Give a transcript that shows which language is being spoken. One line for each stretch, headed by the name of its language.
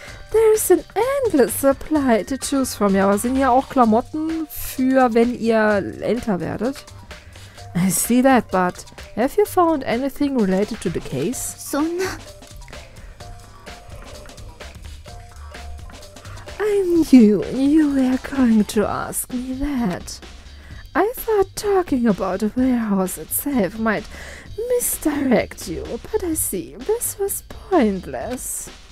English: There is an endless supply to choose from.
German: Ja, aber sind ja auch Klamotten für, wenn ihr älter werdet.
English: I see that, but have you found anything related to the case? So, no. I knew you were going to ask me that. I thought talking about a warehouse itself might misdirect you, but I see this was pointless.